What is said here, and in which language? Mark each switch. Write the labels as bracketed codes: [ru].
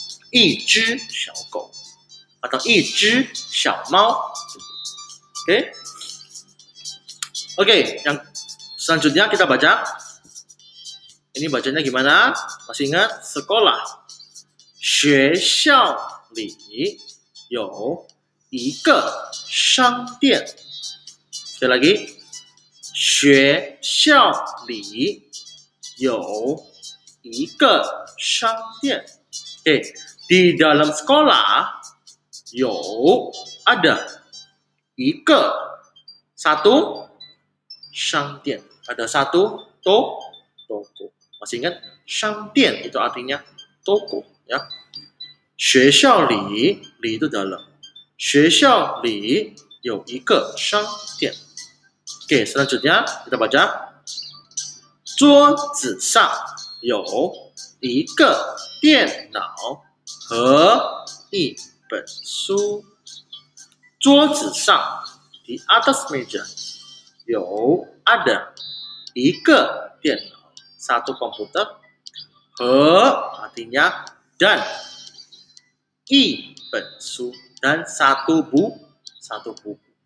[zh] 一只小狗 atau 一只小猫. [id] Oke. Okay. Oke, okay, yang selanjutnya kita baca. Ini bacanya gimana? Masih ingat sekolah. 学校里有一个商店. Sekali lagi. [zh] 学校里有一个商店. Oke, okay. [id] Di dalam sekolah 有 ada. 一个, satu, 商店, ada satu, toko. Masih ingat, 商店 itu artinya toko, ya. 学校里, 里 itu dalam. [zh] 学校里有一个商店. Oke, selanjutnya kita baca. 桌子上有一个电脑和一本书. [id] 桌子上, di atas meja, 有, ada, 一个电脑, satu komputer, 和, artinya, dan, 一本书, dan satu buku.